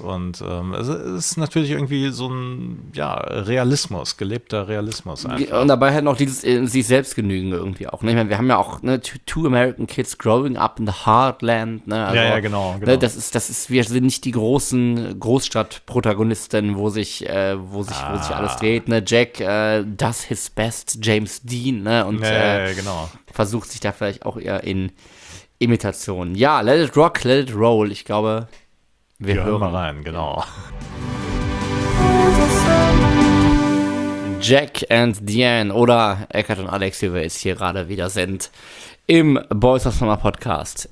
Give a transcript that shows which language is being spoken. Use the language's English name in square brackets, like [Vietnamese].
[German] Und es ist natürlich irgendwie so ein Realismus, gelebter Realismus einfach. Und dabei halt noch dieses sich selbst genügen irgendwie auch. Ne? Ich meine, wir haben ja auch [English] Two American Kids Growing Up in the Heartland. [German] Ne? Also, ja, genau. Ne? Das ist, wir sind nicht die großen Großstadtprotagonisten, wo sich alles dreht, ne? [English] Jack does his best, James Dean, ne? [German] Und versucht sich da vielleicht auch eher in Imitationen. Ja, [English] let it rock, let it roll. [German] Ich glaube, wir hören mal rein, genau. Jack and Diane oder Eckart und Alex, wie wir jetzt hier gerade wieder sind, im Boys of Summer Podcast.